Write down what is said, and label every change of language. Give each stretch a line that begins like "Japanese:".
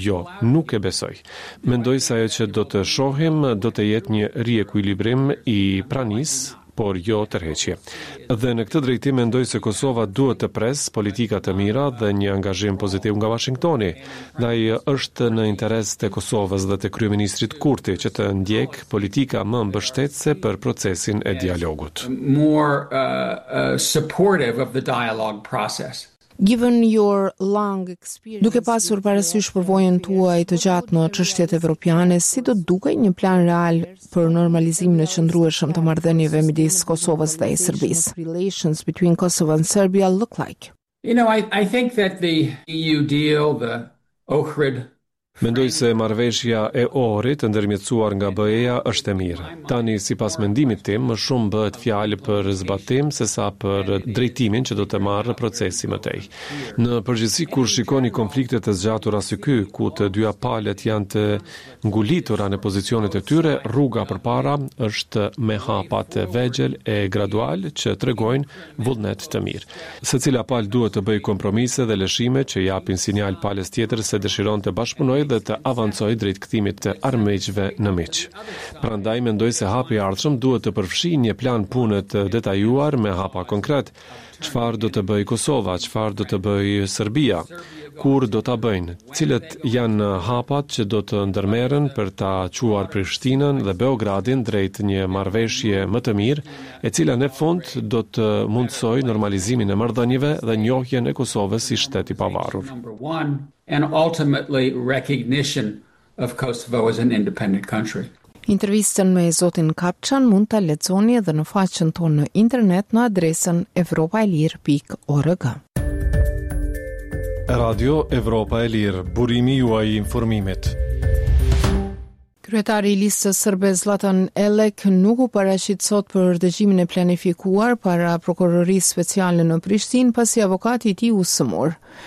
Albanian: Jo, nuk e besoj. Mendoj se ajo që do të shohim do të jetë një riekuilibrim i pranisë, por jo tërheqje. Dhe në këtë drejtim mendoj se Kosova duhet të presë politika të mira dhe një angazhim pozitiv nga Washingtoni. Ndaj është në interes të Kosovës dhe të kryeministrit Kurti që të ndjek politika më mbështetëse për procesin e dialogut.
English: More supportive of the dialogue process. Given your long experience,
Albanian: duke pasur parasysh përvojën tuaj të gjatë në çështjet evropiane, si do dukej një plan real për normalizimin e qëndrueshëm të marrëdhënieve midis Kosovës dhe Serbisë?
English: Relations between Kosovo and Serbia look like? You know, I think that the EU deal, the OHRID.
Albanian: Mendoj se marrëveshja e ORI-t ndërmjetësuar nga BE-ja është e mirë. Tani, sipas mendimit tim, më shumë bëhet fjalë për zbatim sesa për drejtimin që do të marrë procesi më tej. Në përgjithësi, kur shikoni konfliktet e zgjatura si ky, ku të dyja palët janë të ngulitura në pozicionet e tyre, rruga përpara është me hapat e vegjël e gradual që tregojnë vullnet të mirë. Secila palë duhet të bëjë kompromise dhe lëshime që japin sinjal palës tjetër se dëshiron të bashkëpunojë dhe të avancoj drejt këtimit të armiqve në miq. Prandaj, mendoj se hapi ardhshëm duhet të përfshi një plan punët detajuar me hapa konkret. Çfarë do të bëj Kosova, çfarë do të bëj Serbia, kur do të bëjnë, cilët janë hapat që do të ndërmerën për ta quar Prishtinën dhe Beogradin drejt një marveshje më të mirë, e cila në fund do të mundësoj normalizimin e mërdënjive dhe njohjen e Kosovës si shteti pavarur.
English: And ultimately recognition of Kosovo as an independent country.
Albanian: Intervistën me zotin Kapçan mund ta lexoni edhe në faqen tonë në internet në adresën europaelir.org. Radio Evropa e Lirë, burimi juaj i informimit. Kryetari i listës sërbe Zlatan Elek nuk u paraqit sot për dëgjimin e planifikuar para prokurorisë speciale në Prishtinë pasi avokati i tij u sëmur.